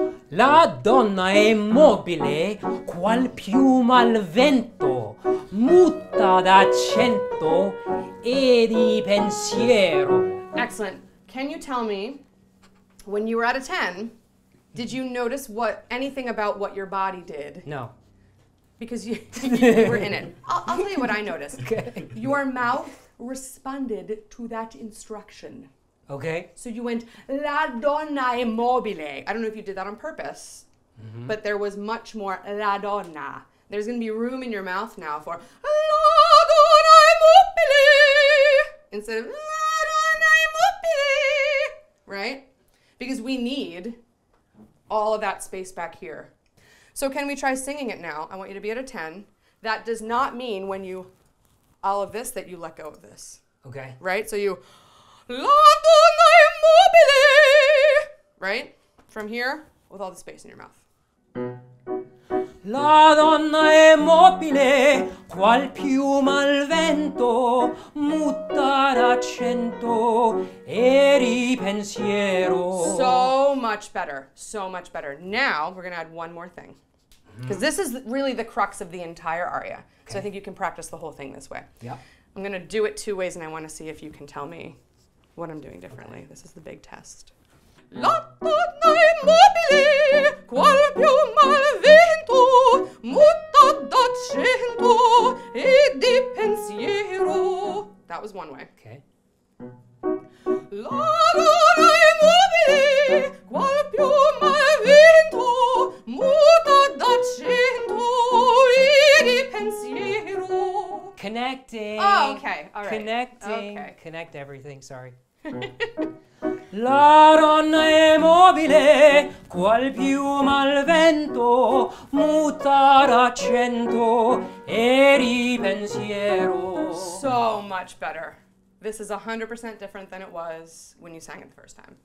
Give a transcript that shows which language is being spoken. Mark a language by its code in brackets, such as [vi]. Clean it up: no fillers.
[it] La donna è mobile, qual più mal vento, muta d'accento e di pensiero. [en] Excellent. Can you tell me, when you were out of 10, did you notice anything about what your body did? No. Because you were in it. I'll tell you what I noticed. Okay. Your mouth responded to that instruction. Okay. So you went, [it] la donna è mobile. [en] I don't know if you did that on purpose, mm-hmm. but there was much more la donna. There's going to be room in your mouth now for [it] la donna è mobile [en] instead of la donna è mobile, right? Because we need all of that space back here. So can we try singing it now? I want you to be at a 10. That does not mean when you, all of this, that you let go of this. Okay. Right? So you, L'agonai mobile! Right? From here, with all the space in your mouth. [it] La donna è mobile, qual piuma al vento, muta d'accento e ripensiero. [en] So much better, so much better. Now we're gonna add one more thing. Because this is really the crux of the entire aria. Okay. So I think you can practice the whole thing this way. Yeah. I'm gonna do it two ways and I wanna see if you can tell me what I'm doing differently. Okay. This is the big test. [it] La donna è mobile, qual piuma al vento, muta d'accento e di pensiero. [en] That was one way. Okay. [it] La donna è mobile, qual piuma al vento, muta d'accento e di pensiero. [en] Connecting. Oh, okay. All right. Connecting. Okay. Connect everything, sorry. [it] La donna è mobile, qual piuma al vento, muta d'accento e ripensiero. [en] So much better. This is 100% different than it was when you sang it the first time.